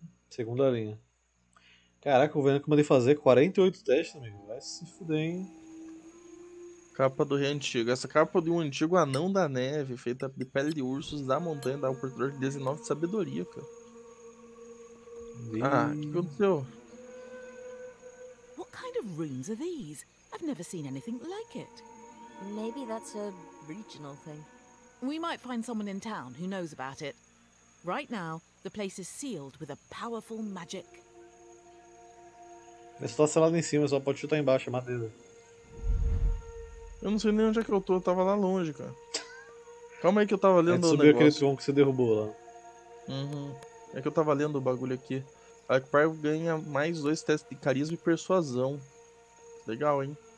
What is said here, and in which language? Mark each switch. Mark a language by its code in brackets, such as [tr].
[pt] Segunda linha. Caraca, o Venom que eu mandei fazer 48 testes, amigo. Vai se fuder, hein? Capa do rei antigo. Essa capa de um antigo anão da neve, feita de pele de ursos da montanha, dá um portador de 19 de sabedoria, cara. Ah, o que aconteceu? [en] What kind of runes are these? I've never seen anything like it. Maybe that's a regional thing. We might find someone in town who knows about it. Right now, the place is sealed with a powerful magic. [pt] Eu estou selado em cima, só pode chutar embaixo, madeira. Eu não sei nem onde é que eu tô, eu tava lá longe, cara. Calma aí que eu tava lendo o negócio. Aquele tronco que você derrubou lá. Uhum. É que eu tava lendo o bagulho aqui. A Parvo ganha mais 2 testes de carisma e persuasão. Legal, hein?